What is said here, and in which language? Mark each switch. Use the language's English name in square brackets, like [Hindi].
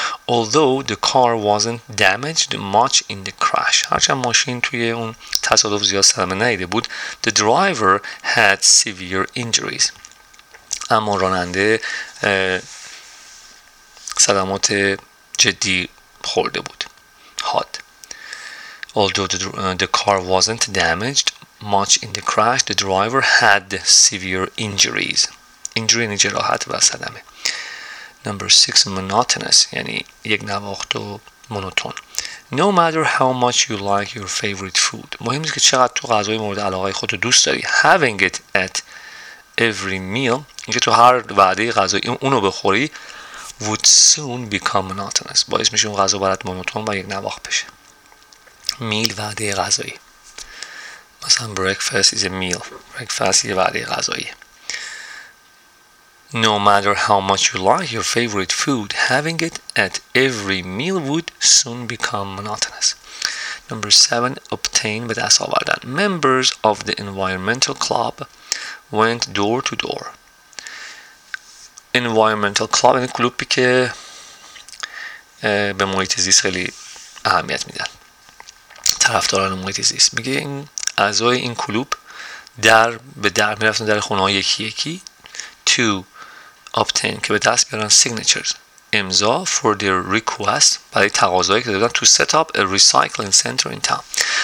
[English] Although the car wasn't damaged much in the crash. [Persian] هرچند ماشین توی اون تصادف زیاد صدمه نیده بود. [English] The driver had severe injuries. [Persian] اما راننده صدمات جدی خورده بود. حاد. [English] Although the car wasn't damaged much in the crash, the driver had severe injuries. [Persian] Injury یعنی جراحت و صدمه. [English] Number six, monotonous, [Persian] یعنی یک نواخت و مونوتون. [English] No matter how much you like your favorite food. [Persian] مهم نیست که چقدر تو غذای مورد علاقه خود رو دوست داری. [English] Having it at every meal, [Persian] اینکه تو هر وعده غذای اونو بخوری, [English] would soon become monotonous. [Persian] باعث میشه اون غذا برات مونوتون و یک نواخت بشه. [English] Meal, [Persian] وعده غذایی. [English] مثلا breakfast is a meal. [Persian] Breakfast یه وعده غذایی. [English] No matter how much you like your favorite food, having it at every meal would soon become monotonous. Number seven, obtain [Persian] به دست آوردن. [English] Members of the environmental club went door to door. [Persian] Environmental club یعنی کلوبی که به محیط زیست خیلی اهمیت میدن. طرفداران محیط زیست. میگه این اعضای این کلوب در به در میرفتن، در خونه ها یکی یکی. [English] Two, obtain [Persian] که به دست بیارن [English] signatures امضا for their request [Persian] برای تقاضایی که دادن [English] to set up a recycling center in town.